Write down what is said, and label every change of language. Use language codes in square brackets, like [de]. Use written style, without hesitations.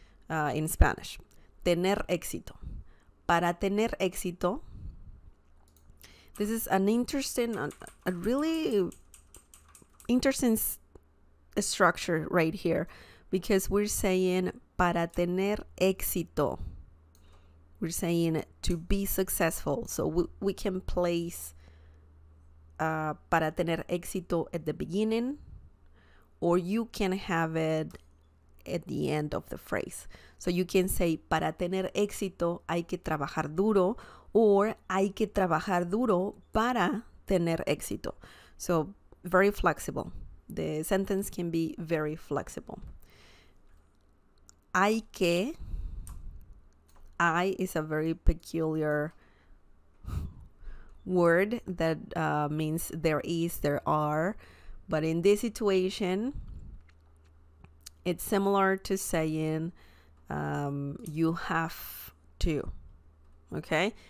[en] In Spanish, [es] tener éxito. Para tener éxito, [en] this is an interesting, a really interesting structure right here, because we're saying [es] para tener éxito. [en] We're saying to be successful. So we can place [es] para tener éxito [en] at the beginning, or you can have it at the end of the phrase. So you can say, [es] para tener éxito, hay que trabajar duro, [en] or [es] hay que trabajar duro para tener éxito. [en] So very flexible. The sentence can be very flexible. [es] Hay que, [en] I is a very peculiar word that means there is, there are, but in this situation, it's similar to saying you have to, okay?